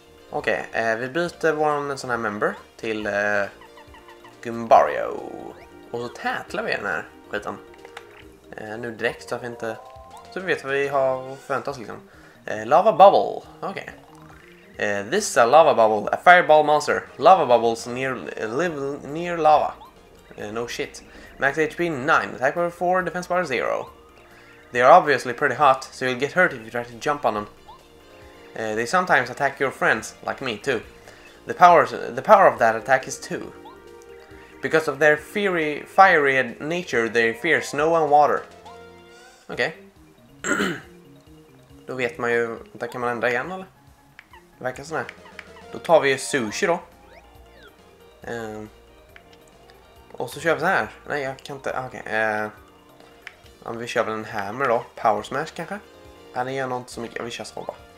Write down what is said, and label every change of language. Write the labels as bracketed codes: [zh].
[sv] Okej, vi byter vår sån här member till Gumbario. Och så tätlar vi den här skiten. Nu direkt så att vi inte... Så vi vet vad vi har förvänt oss liksom. [en] Lava bubble, okej. This is a lava bubble, a fireball monster. Lava bubbles near live near lava. No shit. Max HP 9, attack power 4, defense power 0. They are obviously pretty hot, so you'll get hurt if you try to jump on them. They sometimes attack your friends, like me too. The power of that attack is 2. Because of their fiery nature, they fear snow and water. [sv] Okej. Okay. Då vet man ju, där kan man ändra igen eller? Det verkar sådär. Då tar vi ju sushi då. Och så kör vi så här. Nej, jag kan inte. Okej. Om vi kör väl en hammer då. Power smash kanske. Är det något så mycket? Ja, vi kör så bara.